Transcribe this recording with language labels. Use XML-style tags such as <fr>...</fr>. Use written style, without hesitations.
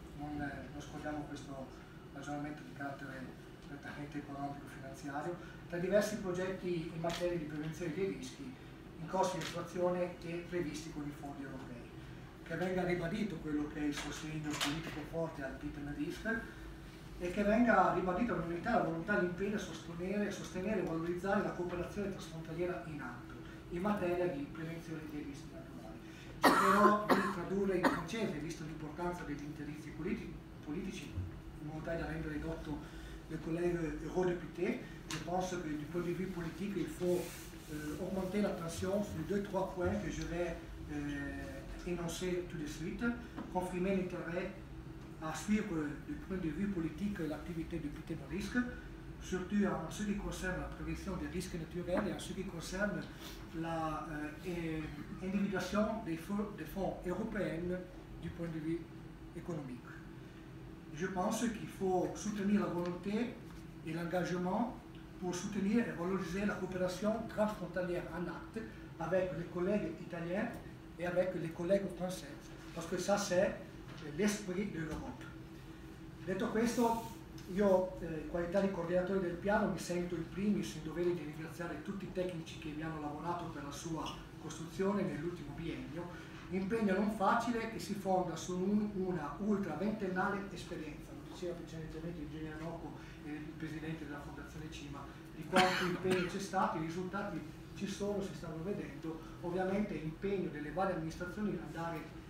<it>Non scordiamo questo ragionamento di carattere prettamente economico-finanziario, tra diversi progetti in materia di prevenzione dei rischi in corso di attuazione e previsti con i fondi europei. Che venga ribadito quello che è il sostegno politico forte al PITER nel RISC, e che venga ribadita l'unità, la volontà, l'impegno a sostenere e valorizzare la cooperazione trasfrontaliera in atto in materia di prevenzione dei rischi naturali. Cercherò di tradurre in francese, visto l'importanza degli interessi politici, in modo tale da rendere dotto le colleghe e colleghi, che penso che</it> <fr>du point de vue politique il faut augmenter la tension sur deux trois points que je vais énoncer tout de suite, confirmer l'intérêt à suivre du point de vue politique l'activité du PITER nel RISC, surtout en ce qui concerne la prévention des risques naturels et en ce qui concerne la individuation des fonds européens du point de vue économique. Je pense qu'il faut soutenir la volonté et l'engagement pour soutenir et valoriser la coopération transfrontalière en acte avec les collègues italiens et avec les collègues français, parce que ça c'est l'esprit dell'Europa.</fr> <it>Detto questo, io in qualità di coordinatore del piano mi sento il primis in dovere di ringraziare tutti i tecnici che mi hanno lavorato per la sua costruzione nell'ultimo biennio, impegno non facile che si fonda su una ultra ventennale esperienza, lo diceva precedentemente il ingegnere Nocco, il presidente della Fondazione Cima, di quanto impegno c'è stato, i risultati ci sono, si stanno vedendo, ovviamente l'impegno delle varie amministrazioni di andare</it>